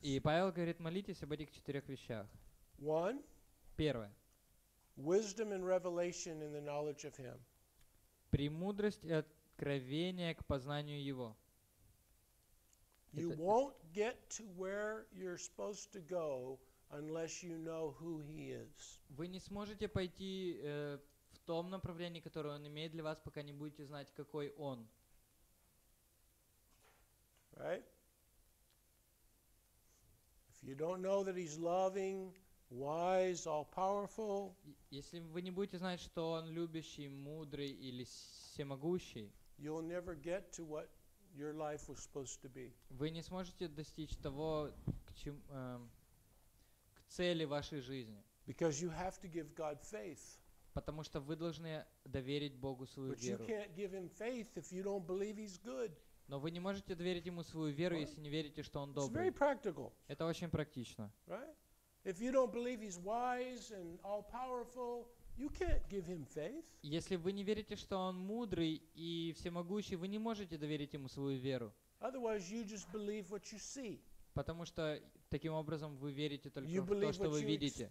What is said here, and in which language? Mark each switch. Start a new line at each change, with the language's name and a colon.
Russian: И Павел говорит, молитесь об этих 4 вещах.
English: 1.
Russian: Первое.
English: Wisdom and revelation in the knowledge of him.
Russian: Премудрость и откровение к познанию его.
English: You won't get to where you're supposed to go unless you know who he is.
Russian: Вы не сможете пойти в том направлении, которое он имеет для вас, пока не будете знать, какой он.
English: Right? If you don't know that he's loving, wise, all-powerful,
Russian: если вы не будете знать, что он любящий, мудрый или всемогущий,
English: you'll never get to what your life was supposed to be.
Russian: Вы не сможете достичь того, к цели вашей жизни.
English: Because you have to give God faith.
Russian: Потому что вы должны доверить Богу свою веру.
English: But you can't give him faith if you don't believe he's good.
Russian: Но вы не можете доверить ему свою веру, если не верите, что он добрый.
English: It's very practical.
Russian: Это очень практично.
English: Right? If you don't believe he's wise and all-powerful, you can't give him faith.
Russian: Если вы не верите, что он мудрый и всемогущий, вы не можете доверить ему свою веру.
English: Otherwise, you just believe what you see.
Russian: Потому что таким образом вы верите только в то, что вы видите.